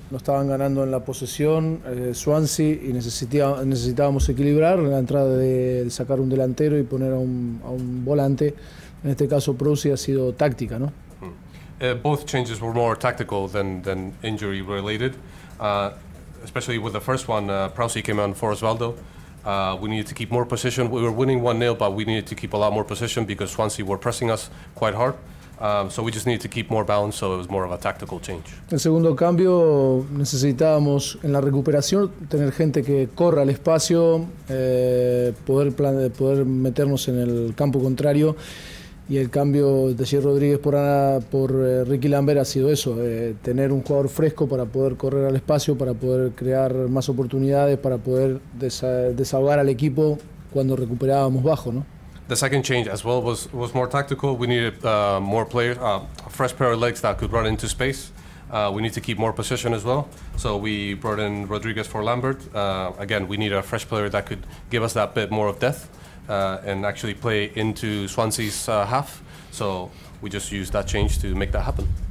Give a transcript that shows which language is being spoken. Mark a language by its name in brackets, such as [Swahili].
[Spanish] No estaban ganando en la posesión Swansea y necesitábamos equilibrar la entrada de sacar un delantero y poner a un volante. En este caso, Prousi ha sido táctica, ¿no? [English] Both changes were more tactical than injury related, especially with the first one. Prowse came on for Osvaldo. We needed to keep more possession. We were winning 1-0, but we needed to keep a lot more possession because Swansea were pressing us quite hard. So we just needed to keep more balance, so it was more of a tactical change. [Spanish] El segundo cambio, necesitábamos en la recuperación tener gente que corra al espacio, poder meternos en el campo contrario. Y el cambio de Jerry Rodríguez por Ricky Lambert ha sido eso, tener un jugador fresco para poder correr al espacio, para poder crear más oportunidades, para poder desahogar al equipo cuando recuperábamos bajo, ¿no? [English] The second change as well was more tactical. We needed more players, a fresh pair of legs that could run into space. We need to keep more possession as well. So we brought in Rodriguez for Lambert. Again, we need a fresh player that could give us that bit more of depth and actually play into Swansea's half. So we just used that change to make that happen.